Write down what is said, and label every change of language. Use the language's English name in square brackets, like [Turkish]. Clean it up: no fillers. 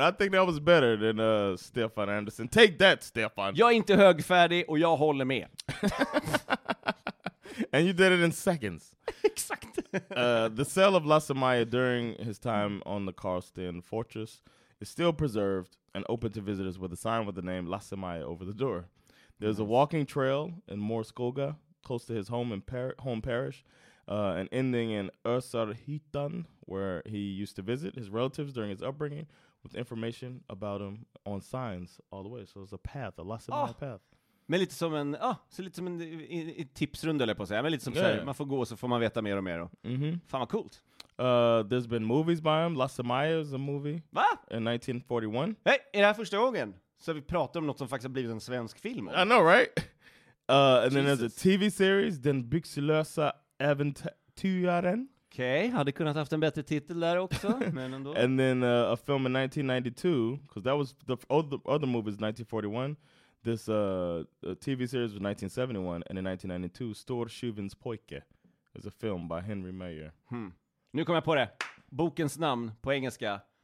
[English] I think that was better than Stefan Anderson. Take that, Stefan. [Swedish] Jag är inte högfärdig och jag håller med. [English] And you did it in seconds. [Swedish] Exakt. [English] The cell of Lasse-Maja during his time on the Karlsten Fortress is still preserved and open to visitors with a sign with the name Lasse-Maja over the door. There's nice. A walking trail in Morskoga, close to his home in home parish, and ending in Örsarhyttan, where he used to visit his relatives during his upbringing, with information about him on signs all the way. So it's a path, a Lasse-Maja path. [Swedish] Men lite som en, så lite som en i tipsrunda eller på att säga. Men lite som så här, man får gå och så får man veta mer och mer. Och. Mm-hmm. Fan vad coolt. [English] There's been movies by him. Lasse-Maja is a movie. [Swedish] Va? [English] In 1941. [Swedish] Hey, är det här första gången? Så vi pratar om något som faktiskt har blivit en svensk film. Eller? [English] I know, right? And Jesus. Then there's a TV series. [Swedish] Den byxelösa äventyraren. Okej, hade kunnat haft en bättre titel där också. Men ändå. [English] And then a film in 1992. Because that was the other movies, 1941. This TV series was 1971, and in 1992, Storsjuvens pojke is a film by Henry Mayer. [Swedish] Hmm. Nu kommer jag på det. Bokens namn på engelska.